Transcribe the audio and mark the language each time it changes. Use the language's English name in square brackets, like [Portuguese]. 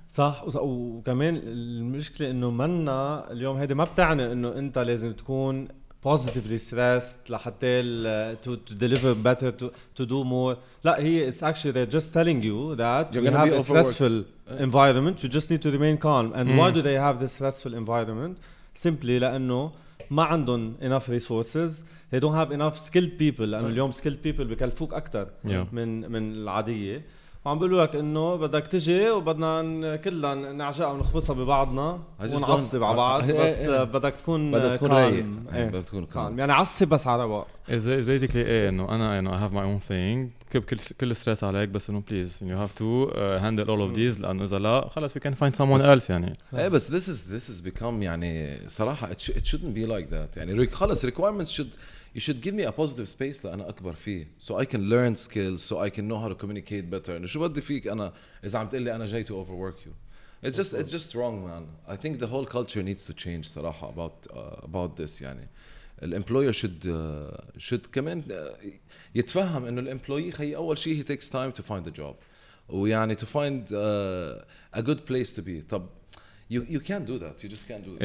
[Arabic] صح. وكمان المشكلة إنه منا اليوم هيدي ما بتعني إنه أنت لازم تكون [English] positively stressed [Arabic] لحتى [English] to deliver better to do more. [Arabic] لا هي [English] it's actually they're just telling you that you're gonna have be a overworked. Stressful environment. You just need to remain calm. And why do they have this stressful environment? Simply [Arabic] لأنه ما عندهم [English] enough resources. They don't have enough skilled people. [Arabic] لأنه اليوم [English] skilled people [Arabic] بكلفوك أكثر من العادية. وعم بيقولوا لك إنه بدك تجي وبدنا كلنا نعجق ونخبصها ببعضنا ونعصب على بعض. بس بدك تكون بدك تكون كالم. يعني عصب بس على رواق. [English] It's basically [Arabic] إنه أنا [English] I have my own thing. [Arabic] كل الستريس عليك بس إنه [English] please you have to handle all of these. [Arabic] لأنه إذا لا خلاص [English] we can find someone else [Arabic] يعني. إيه بس [English] this is become [Arabic] يعني صراحة [English] it shouldn't be like that. [Arabic] يعني خلاص [English] requirements should you should give me a positive space [Arabic] لأنا أكبر فيه, [English] so I can learn skills, so I can know how to communicate better. [Arabic] إنه شو بدي فيك أنا إذا عم تقلي أنا جاي [English] to overwork you. It's just wrong man. I think the whole culture needs to change [Arabic] صراحة [English] about this. يعني the employer should [Arabic] كمان يتفهم إنه الإمبلوي خي أول شيء [English] he takes time to find a job [Arabic] ويعني [English] to find a good place to be. طب You can't do that. You just can't do that.